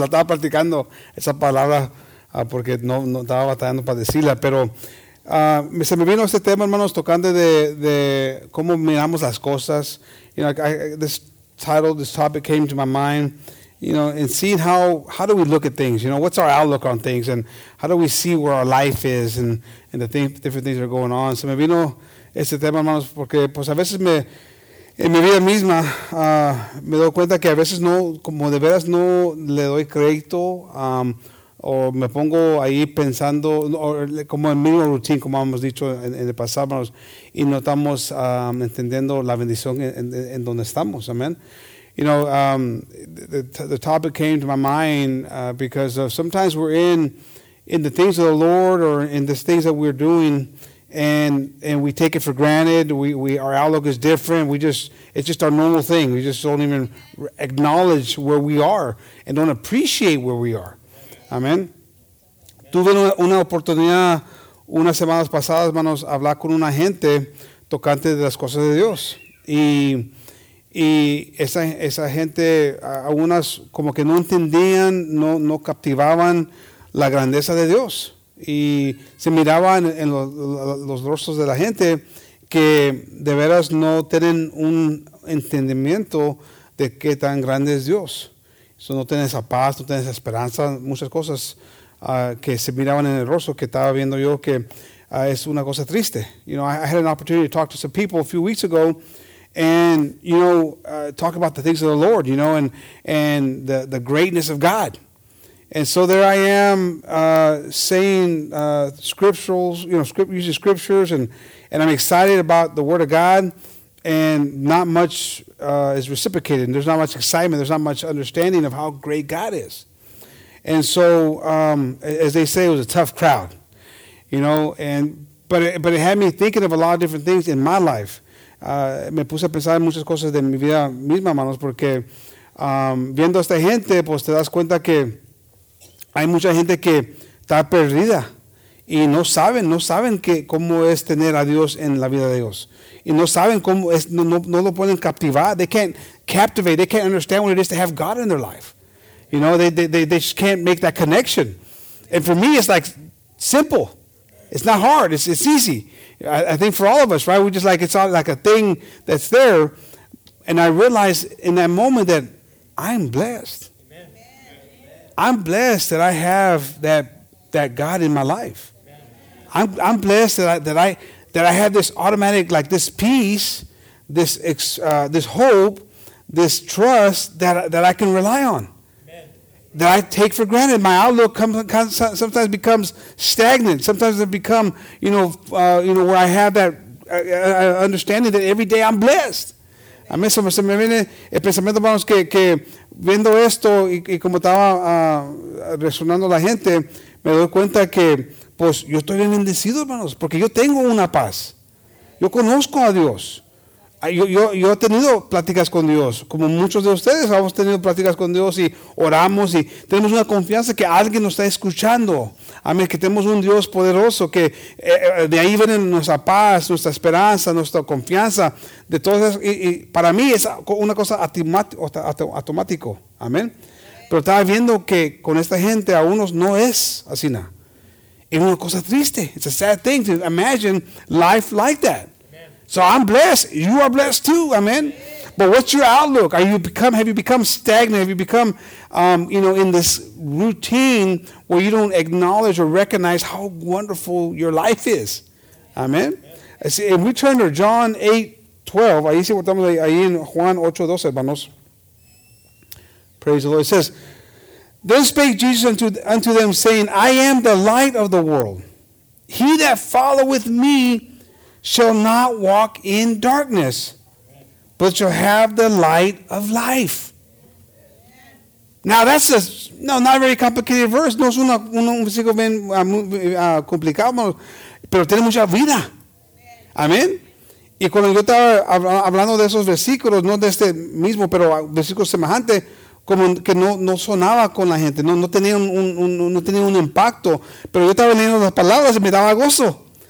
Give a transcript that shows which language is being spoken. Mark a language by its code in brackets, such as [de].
[es] La estaba practicando esa palabra porque no estaba batallando para decirla. Pero se me vino este tema, hermanos, tocando de cómo miramos las cosas. [en] You know, this topic came to my mind. You know, and seeing how do we look at things? You know, what's our outlook on things? And how do we see where our life is and the different things that are going on? [es] Se me vino este tema, hermanos, porque pues a veces me... En mi vida misma, me doy cuenta que a veces no, como de veras no le doy crédito, o me pongo ahí pensando, como en mi routine, como hemos dicho en el pasado, y no estamos entendiendo la bendición en donde estamos, amen. [en] You know, the topic came to my mind because of sometimes we're in the things of the Lord or in the things that we're doing, and we take it for granted. We our outlook is different. It's just our normal thing. We just don't even acknowledge where we are and don't appreciate where we are. Amen. [es] Tuve una oportunidad unas semanas pasadas, hermanos, hablar con una gente tocante de las cosas de Dios. Y esa gente, algunas como que no entendían, no captivaban la grandeza de Dios. Y se miraba en los rostros de la gente que de veras no tienen un entendimiento de qué tan grande es Dios. Eso no tiene esa paz, no tiene esa esperanza, muchas cosas que se miraban en el rostro que estaba viendo yo que es una cosa triste. [en] You know, I had an opportunity to talk to some people a few weeks ago and, you know, talk about the things of the Lord, you know, and the greatness of God. And so there I am saying scriptures, you know, using scriptures, and I'm excited about the Word of God, and not much is reciprocated. There's not much excitement. There's not much understanding of how great God is. And so, as they say, it was a tough crowd, you know, but it had me thinking of a lot of different things in my life. [es] Me puse a pensar en muchas cosas de mi vida misma, hermanos, porque viendo a esta gente, pues te das cuenta que hay mucha gente que está perdida y no saben que cómo es tener a Dios en la vida de ellos. Y no saben cómo es, no lo pueden captivar. [en] They can't captivate. They can't understand what it is to have God in their life. You know, they just can't make that connection. And for me, it's like simple. It's not hard. It's easy. I think for all of us, right? We just like, it's all like a thing that's there. And I realized in that moment that I'm blessed. I'm blessed that I have that God in my life. I'm blessed that I have this automatic, like this peace, this this hope, this trust that I can rely on. Amen. That I take for granted. My outlook sometimes becomes stagnant. Sometimes it becomes, you know where I have that understanding that every day I'm blessed. Amen. Amen. [es] So me viene el pensamiento, hermanos, que viendo esto y como estaba resonando la gente, me doy cuenta que, pues, yo estoy bien bendecido, hermanos, porque yo tengo una paz. Yo conozco a Dios. Yo he tenido pláticas con Dios, como muchos de ustedes hemos tenido pláticas con Dios y oramos y tenemos una confianza que alguien nos está escuchando. Amén, que tenemos un Dios poderoso, que de ahí viene nuestra paz, nuestra esperanza, nuestra confianza. De todas esas, y para mí es una cosa automático. Amén. Pero estaba viendo que con esta gente a unos no es así nada. Es una cosa triste. [en] It's a sad thing to imagine life like that. Amen. So I'm blessed. You are blessed too. Amen. Amen. But what's your outlook? Are you become? Have you become stagnant? Have you become, you know, in this routine where you don't acknowledge or recognize how wonderful your life is? Amen. Amen. See, and we turn to John 8:12. [es] Ahí sí estamos ahí en Juan 8:12, hermanos. [en] Praise the Lord. It says, then spake Jesus unto them, saying, I am the light of the world. He that followeth me shall not walk in darkness, but shall have the light of life. Now that's a not a very complicated verse. [es] No es un versículo bien complicado, pero tiene mucha vida. Amén. Y cuando yo estaba hablando de esos versículos, no de este mismo, pero versículos semejantes, como que no sonaba con la gente, no tenía un impacto, pero yo estaba leyendo las palabras y me daba gozo.